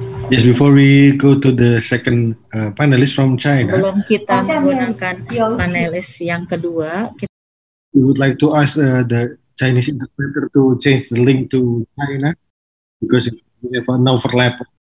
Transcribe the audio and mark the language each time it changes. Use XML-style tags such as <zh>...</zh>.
<en>Yes, before we go to the second panelist from China.</en> <id>Sebelum kita menggunakan panelis yang kedua,</id> <en>we would like to ask the Chinese interpreter to change the link to China because we have an overlap.</en>